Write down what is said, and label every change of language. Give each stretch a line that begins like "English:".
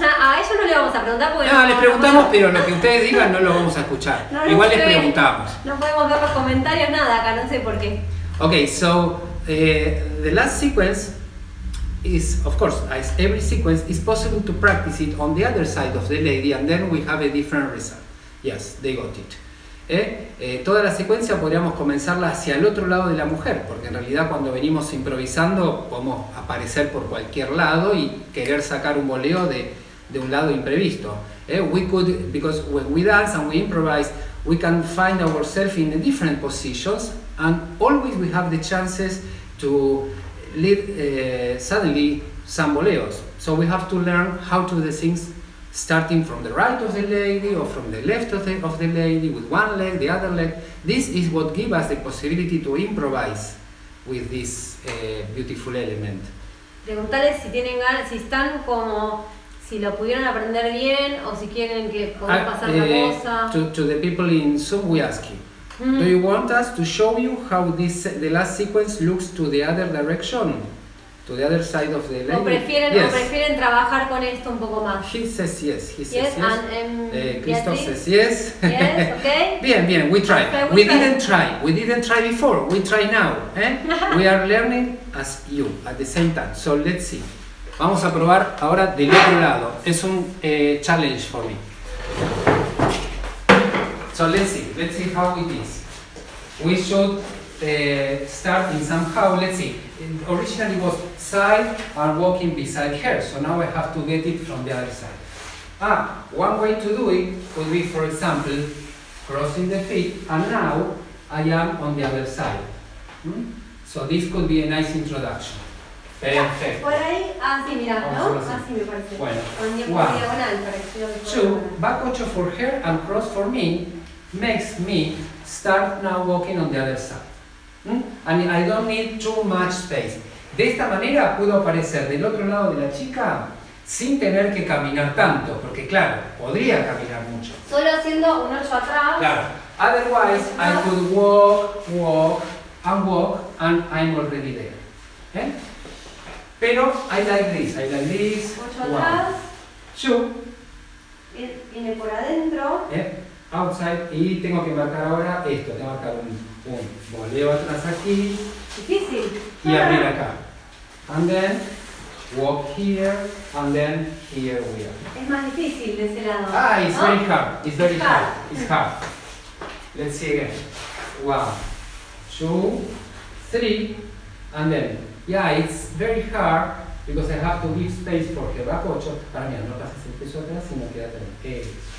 Spanish: A ellos no le vamos a preguntar porque. No, les preguntamos, pero lo que ustedes digan no lo vamos a escuchar. No, igual les preguntamos. No podemos ver los comentarios, nada acá, no sé por qué.
English: Ok, so. The last sequence is, of course, as every sequence is possible to practice it on the other side of the lady, and then we have a different result. Yes, they got it.
Spanish: Toda la secuencia podríamos comenzarla hacia el otro lado de la mujer, porque en realidad cuando venimos improvisando podemos aparecer por cualquier lado y querer sacar un voleo de un lado imprevisto.
English: We could, because when we dance and we improvise, we can find ourselves in the different positions and always we have the chances to lead suddenly some voleos. So we have to learn how to do things starting from the right of the lady or from the left of the lady, with one leg, the other leg. This is what gives us the possibility to improvise with this beautiful element.
Spanish: Preguntarles si tienen ganas, si están como, si lo pudieron aprender bien o si quieren que pueda pasar la cosa.
English: To the people in Zoom, we ask you. Do you want us to show you how this the last sequence looks to the other direction? To the other side of the lady.
Spanish: ¿O prefieren trabajar con esto un poco más?
English: He says yes. Christoph says yes. Yes, okay. Bien, we try. We didn't try before. We try now. We are learning as you at the same time. So let's see.
Spanish: Vamos a probar ahora del otro lado. Es un
English: challenge for me. So let's see how it is. We should start in somehow, let's see. Originally was side and walking beside her, so now I have to get it from the other side. One way to do it could be, for example, crossing the feet, and now I am on the other side. So this could be a nice introduction.
Spanish: Perfect. Por ahí, así, mira, ¿no? Así me parece.
English: Bueno, 1, 2, back 8 for her and cross for me makes me start now walking on the other side. And I don't need too much space.
Spanish: De esta manera puedo aparecer del otro lado de la chica sin tener que caminar tanto, porque claro, podría caminar mucho. Solo haciendo un 8 atrás. Claro.
English: Otherwise, I could walk, and I'm already there. Pero I like this.
Spanish: 8 atrás. 2. Viene por adentro. Outside, y tengo que marcar ahora esto, tengo que marcar un voleo atrás aquí. Difícil. Y abrir acá.
English: And then, walk here, and then here we are.
Spanish: Es más difícil de ese lado.
English: Ah, it's very hard. It's very hard. It's hard. Let's see again. 1, 2, 3, and then. Yeah, it's very hard because I have to give space for her. Back 8.
Spanish: Para mí, no pases el peso atrás, sino quédate en eso.